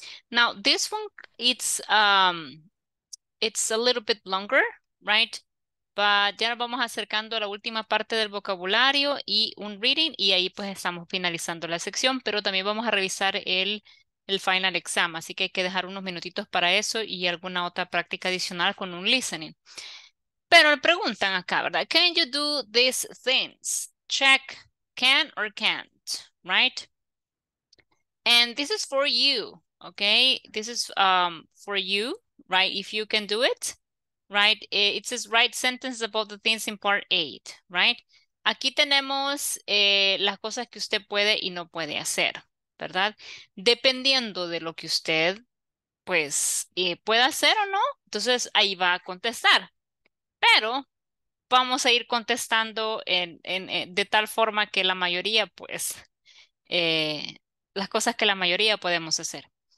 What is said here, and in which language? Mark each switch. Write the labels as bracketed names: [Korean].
[English] Now, this one, it's a little bit longer, right? [Spanish] But ya nos vamos acercando a la última parte del vocabulario y un reading, y ahí pues estamos finalizando la sección, pero también vamos a revisar el final exam, así que hay que dejar unos minutitos para eso y alguna otra práctica adicional con un listening. Pero le preguntan acá, ¿verdad? [English] Can you do these things? Check. Can or can't, right? And this is for you, okay? This is for you, right? If you can do it, right? It says write sentences about the things in part 8, right? [Spanish] Aquí tenemos las cosas que usted puede y no puede hacer, ¿verdad? Dependiendo de lo que usted, pues, pueda hacer o no, entonces ahí va a contestar. Pero vamos a ir contestando de tal forma que la mayoría, pues, las cosas que la mayoría podemos hacer.